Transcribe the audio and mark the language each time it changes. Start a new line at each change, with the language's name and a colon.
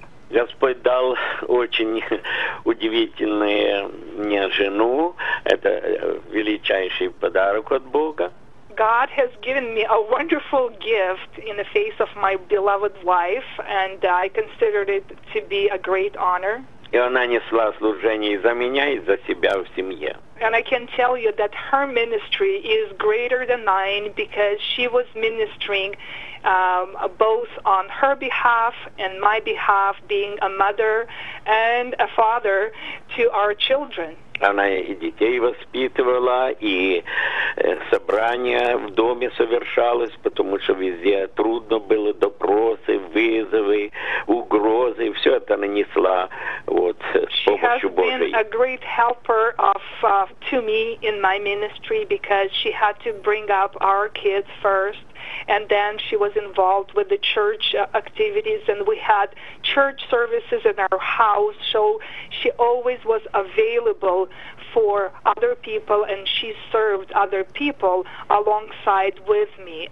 Russian: Господь дал очень удивительную мне жену. Это величайший подарок от Бога.
English: God has given me a wonderful gift in the face of my beloved wife, and I considered it to be a great honor.
Russian: И она несла служение и за меня, и за себя в семье.
English: And I can tell you that her ministry is greater than mine because she was ministering both on her behalf and my behalf, being a mother and a father to our children.
Russian: Она и детей воспитывала, и собрания в доме совершалось, потому что везде трудно было, допросы, вызовы, угрозы. Все это нанесла вот, с помощью Божией.
English: She has been a great helper to me in my ministry because she had to bring up our kids first. And then she was involved with the church activities, and we had church services in our house. So she always was available for other people, and she served other people alongside with me.